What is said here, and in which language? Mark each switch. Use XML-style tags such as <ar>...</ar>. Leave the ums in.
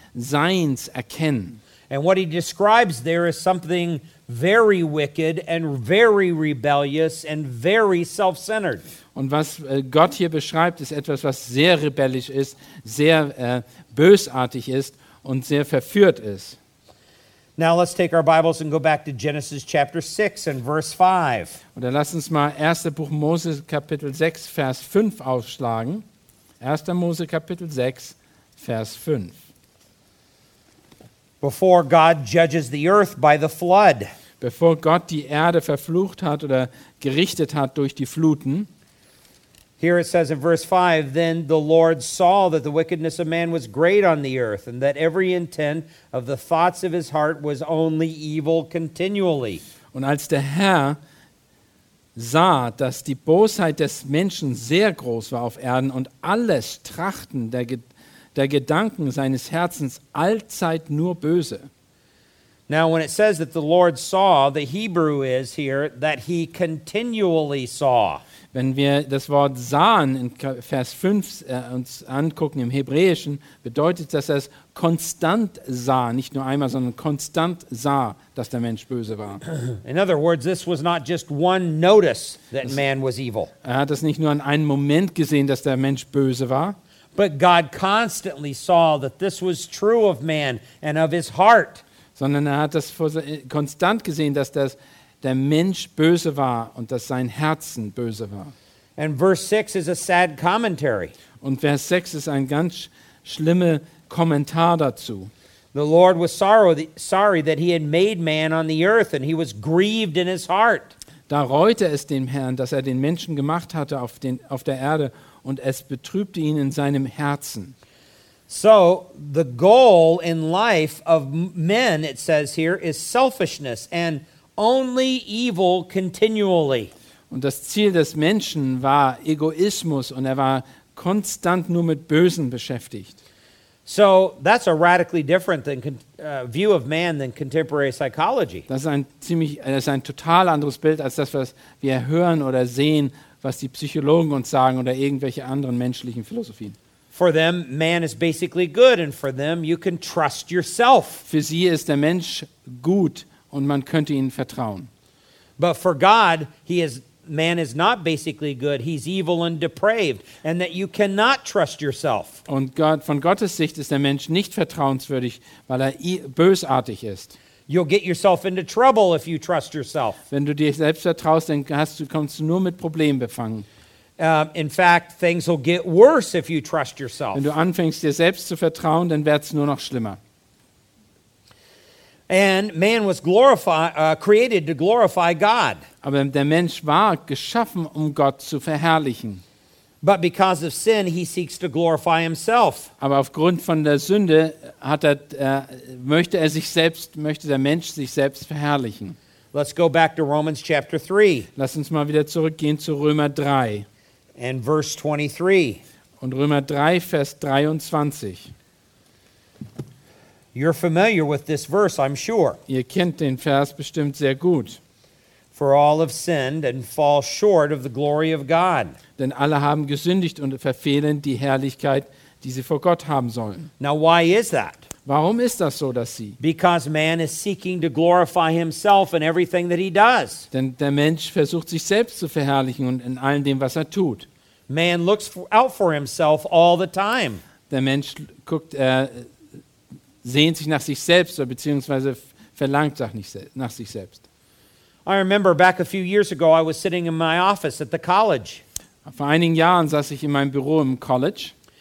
<de>Seins erkennen.</de> <en>And what he describes there is something very wicked and very rebellious and very self-centered.</en> <de>Und was Gott hier beschreibt, ist etwas, was sehr rebellisch ist, sehr äh, bösartig ist und sehr verführt ist.</de> <en>Now let's take our Bibles and go back to Genesis chapter 6 and verse 5.</en> <de>Und dann lass uns mal 1. Buch Mose Kapitel 6 Vers 5 aufschlagen. 1. Mose Kapitel 6 Vers 5.</de> <en>Before God judges the earth by the flood.</en> <de>Bevor Gott die Erde verflucht hat oder gerichtet hat durch die Fluten.</de> <en>Here it says in verse 5 Then the Lord saw that the wickedness of man was great on the earth, and that every intent of the thoughts of his heart was only evil continually.</en> <de>Und als der Herr sah, dass die Bosheit des Menschen sehr groß war auf Erden und alles Trachten der, Ge der Gedanken seines Herzens allzeit nur böse.</de> <en>Now, when it says that the Lord saw, the Hebrew is here that he continually saw.</en> <de>Wenn wir das Wort sahen in Vers 5 äh, uns angucken im Hebräischen, bedeutet das, dass er es konstant sah, nicht nur einmal, sondern konstant sah, dass der Mensch böse war.</de> <en>In other words, this was not just one notice that das, man was evil.</en> <de>Er hat es nicht nur an einem Moment gesehen, dass der Mensch böse war. Sondern er hat das konstant gesehen, dass das der Mensch böse war und dass sein Herzen böse war.</de> <en>And verse 6 is a sad commentary.</en> <de>Und Vers 6 ist very, ganz sch schlimme Kommentar dazu.</de> <en>The Lord was sorrow, the, sorry that he had made man on the earth and he was grieved in his heart.</en> <de>Da reute es dem Herrn, dass er den Menschen gemacht hatte auf den auf der Erde und es betrübte ihn in seinem Herzen.</de> <en>So the goal in life of men it says here is selfishness and only evil continually.</en> <de>Und das Ziel des Menschen war Egoismus und er war konstant nur mit Bösen beschäftigt.</de> <en>So that's a radically different than, uh, view of man than contemporary psychology.</en> <de>Das a ein ziemlich das ist ein total anderes Bild als das was wir hören oder sehen, was die Psychologen uns sagen oder irgendwelche anderen menschlichen Philosophien.</de> <en>For them man is basically good and for them you can trust yourself.</en> <de>Für sie ist der Mensch gut. und man könnte ihnen vertrauen.</de> <en>But for God, he man is not basically good, he's evil and depraved and that you cannot trust yourself.</en> <de>Und Gott, von Gottes Sicht ist der Mensch nicht vertrauenswürdig, weil er bösartig ist.</de> <en>You'll get yourself into trouble if you</en> <de>Wenn du dir selbst vertraust, dann hast du kommst du nur mit Problemen befangen.</de> <en>in fact, things will get worse if you</en> <de>Wenn du anfängst dir selbst zu vertrauen, dann wird's nur noch schlimmer.</de> <en>And man was glorify, uh, created to glorify God.</en> <de>Aber der Mensch war geschaffen, um Gott zu verherrlichen.</de> <en>But because of sin, he seeks to glorify himself.</en> <de>Aber aufgrund von der Sünde er, äh, möchte er sich selbst, möchte der Mensch sich selbst verherrlichen.</de> <en>Let's go back to Romans chapter 3.</en> <de>Lass uns mal wieder zurückgehen zu Römer 3.</de> <en>And verse 23.</en> <de>Und Römer 3, Vers 23.</de> <en>You're familiar with this verse, I'm sure. Vers for all have sinned and fall short of the glory of God.</en> <de>Denn alle haben gesündigt und verfehlen die Herrlichkeit, die sie vor Gott haben sollen.</de> <en>Now why is that?</en> <de>Warum ist das so, dass sie?</de> <en>Because man is seeking to glorify himself in everything that he does.</en> <de>Denn the Mensch versucht sich selbst zu verherrlichen in allem dem, was er tut.</de> <en>Man looks out for himself all the time.</en> <de>Der Mensch guckt er äh, uh, sehnt sich nach sich selbst oder beziehungsweise verlangt nach sich selbst. Vor einigen Jahren saß ich in meinem Büro im College.</de>